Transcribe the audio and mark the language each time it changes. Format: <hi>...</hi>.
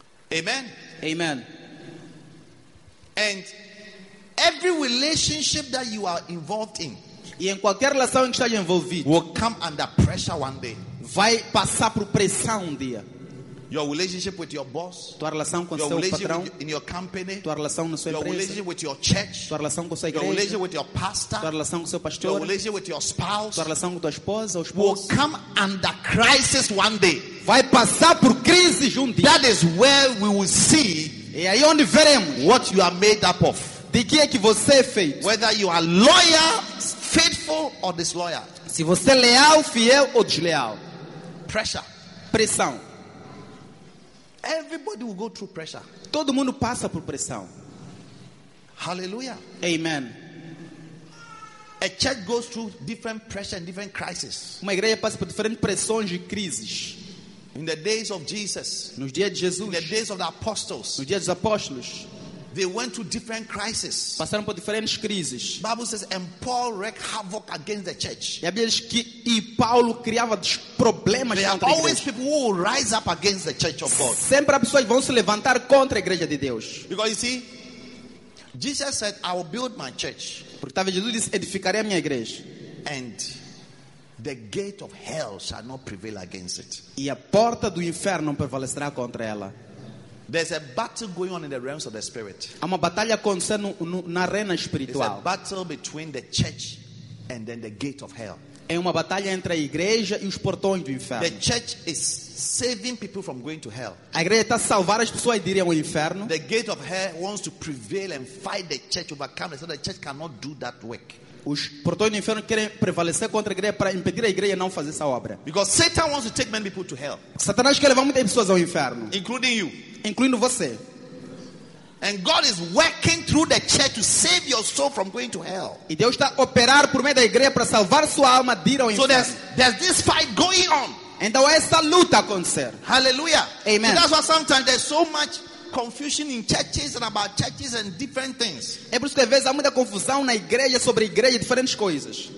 <en>Amen. Amen. And every relationship that you are involved in,</en> <pt>e em qualquer relação em que esteja envolvido,</pt> <en>will come under pressure one day.</en> <pt>Vai passar por pressão dia.</pt> <en>Your relationship with your boss,</en> <pt>tua relação com</pt> <en>your</en> <pt>seu patrão,</pt> <en>in your company,</en> <pt>tua relação na sua</pt> <en>your</en> <pt>empresa,</pt> <en>relationship with your church,</en> <pt>tua relação com sua igreja,</pt> <en>your relationship with your pastor,</en> <pt>tua relação com seu pastor,</pt> <en>your relationship with your spouse,</en> <pt>tua relação com tua esposa ou esposo,</pt> <en>will come under crisis one day.</en> <pt>Vai passar por crise um dia.</pt> <en>That is where we will see.</en> <pt>E aí onde veremos</pt> <en>what you are made up of.</en> <pt>De que é que você é feito?</pt> <en>Whether you are loyal, faithful or disloyal.</en> <pt>Se você é leal, fiel ou desleal.</pt> <en>Pressure.</en> <pt>Pressão.</pt> <en>Everybody will go through pressure.</en> <pt>Todo mundo passa por pressão.</pt> <en>Hallelujah. Amen. A church goes through different pressure and different crises.</en> <pt>Uma igreja passa por diferentes pressões e crises.</pt> <en>In the days of Jesus,</en> <pt>nos dias de Jesus,</pt> <en>in the days of the apostles,</en> <pt>nos dias dos apóstolos,</pt> <en>they went through different crises.</en> <pt>Passaram por diferentes crises.</pt> <en>Bible says, and Paul wreaked havoc against the church.</en> <pt>E a Bíblia diz que e Paulo criava problemas contra a igreja.</pt> <en>There are always people who will rise up against the church of God.</en> <pt>Sempre há pessoas vão se levantar contra a igreja de Deus.</pt> <en>Because you see, Jesus said, I will build my church.</en> <pt>Porque talvez Jesus disse, edificarei a minha igreja.</pt> <en>And the gate of hell shall not prevail against it.</en> <pt>E a porta do inferno não prevalecerá contra ela.</pt> <en>There's a battle going on in the realms of the spirit.</en> <pt>Há uma batalha acontecendo na arena espiritual.</pt> <en>It's a battle between the church and then the gate of hell.</en> <pt>É uma batalha entre a igreja e os portões do inferno.</pt> <en>The church is saving people from going to hell.</en> <pt>A igreja está salvar as pessoas de irem ao inferno.</pt> <en>The gate of hell wants to prevail and fight the church, overcome it, so the church cannot do that work.</en> <pt>Os portões do inferno querem prevalecer contra a igreja para impedir a igreja não fazer essa obra.</pt> <en>Because Satan wants to take many people to hell.</en> <pt>Satanás quer levar muitas pessoas ao inferno.</pt> <en>Including you.</en> <pt>Incluindo você.</pt> <en>And God is working through the church to save your soul from going to hell.</en> <pt>E Deus está operar por meio da igreja para salvar sua alma de ir ao inferno.</pt> <en>So there's this fight going on.</en> <pt>Então essa luta acontecer.</pt> <en>Hallelujah. Amen. So that's why sometimes there's so much confusion in churches and about churches and different things.</en> <pt>É por isso que às vezes há muita confusão na igreja sobre igreja e diferentes coisas.</pt>